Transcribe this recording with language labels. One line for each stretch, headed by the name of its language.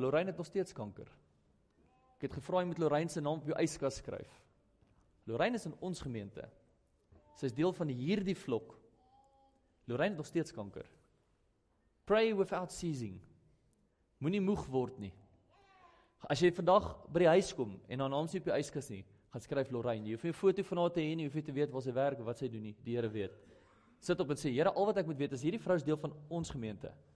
Afrikaans: Lorraine het nog steeds kanker. Ek het gevra om met Lorraine se naam op jou yskas skryf. Lorraine is in ons gemeente. Sy is deel van hierdie vlok. Lorraine het nog steeds kanker.
English: Pray without ceasing.
Afrikaans: Moenie moeg word nie. As jy vandag by die huis kom en haar naam sê op jou yskas nie, gaan skryf Lorraine. Jy hoef nie 'n foto van haar te hê nie, hoef nie te weet waar sy werk of wat sy doen nie. Die Here weet. Sit op en sê, Here, al wat ek moet weet, is hierdie vrou is deel van ons gemeente.